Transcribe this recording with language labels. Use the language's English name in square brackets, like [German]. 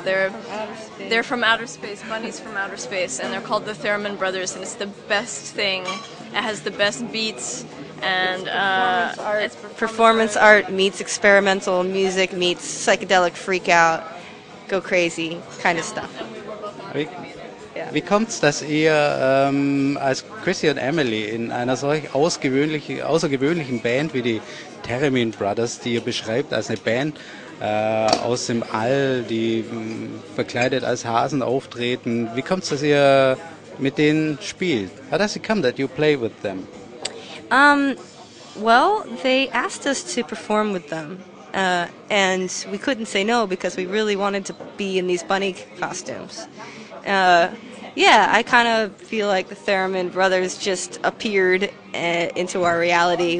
[English] They're from outer space, bunnies from outer space, and they're called the Termin Brothers, and it's the best thing. It has the best beats, and it's performance art. It's performance art meets experimental music meets psychedelic freak out, go crazy kind of stuff. [German] Wie kommt's, dass ihr als Chrissy und Emily in einer solch außergewöhnlichen Band wie die Termin Brothers, die ihr beschreibt als eine Band aus dem All, die verkleidet als Hasen auftreten, wie kommt's, dass ihr mit denen spielt? [English] How does it come that you play with them? Well, they asked us to perform with them, and we couldn't say no because we really wanted to be in these bunny costumes. Yeah, I kind of feel like the Theremin Brothers just appeared into our reality.